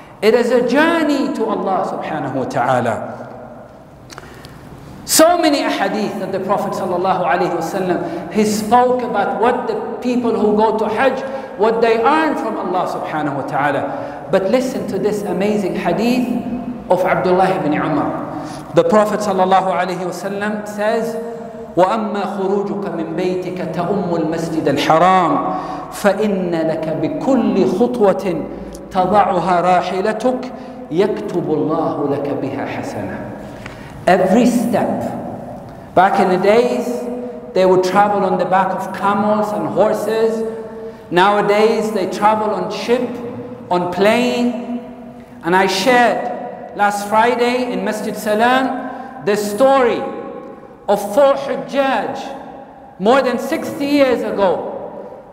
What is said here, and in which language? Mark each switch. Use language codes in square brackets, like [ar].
[en] It is a journey to Allah subhanahu wa ta'ala. So many ahadith that the Prophet sallallahu alayhi wasallam, he spoke about what the people who go to Hajj, what they earn from Allah subhanahu wa ta'ala. But listen to this amazing hadith of Abdullah ibn Umar. The Prophet sallallahu alayhi wasallam says, [ar] وَأَمَّا خُرُوجُكَ مِنْ بَيْتِكَ تَأُمُّ الْمَسْجِدَ الْحَرَامِ فَإِنَّ لَكَ بِكُلِّ خُطْوَةٍ تَضَعُهَا رَاحِلَتُكَ يَكْتُبُ اللَّهُ لَكَ بِهَا حَسَنًا. [en] Every step. Back in the days, they would travel on the back of camels and horses. Nowadays, they travel on ship, on plane. And I shared last Friday in Masjid Salam the story of four Hujjaj more than 60 years ago.